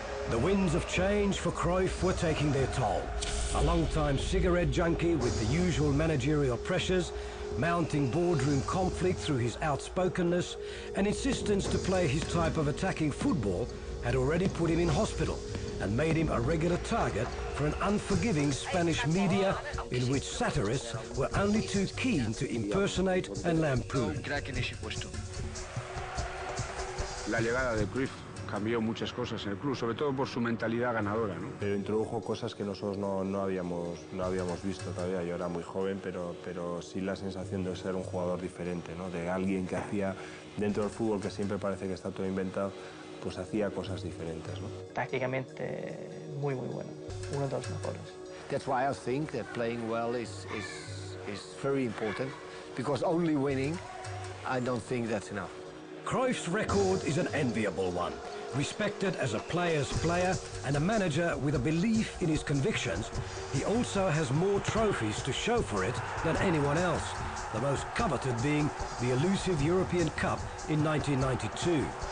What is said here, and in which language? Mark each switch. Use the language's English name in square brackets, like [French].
[English] The winds of change for Cruyff were taking their toll. A long-time cigarette junkie with the usual managerial pressures, mounting boardroom conflict through his outspokenness and insistence to play his type of attacking football had already put him in hospital and made him a regular target for an unforgiving Spanish media in which satirists were only too keen to impersonate and lampoon. [Spanish] La llegada de Cruyff cambió muchas cosas en el club, sobre todo por su mentalidad ganadora, ¿no? Pero introdujo cosas que nosotros no habíamos visto todavía. Yo era muy joven, pero sí la sensación de ser un jugador diferente, ¿no? De alguien que hacía dentro del fútbol, que siempre parece que está todo inventado, pues hacía cosas diferentes, ¿no? Tácticamente muy muy bueno, uno de los mejores. [English] That's why I think that playing well is very important, because only winning, I don't think that's enough. Cruyff's record is an enviable one. Respected as a player's player and a manager with a belief in his convictions, he also has more trophies to show for it than anyone else, the most coveted being the elusive European Cup in 1992.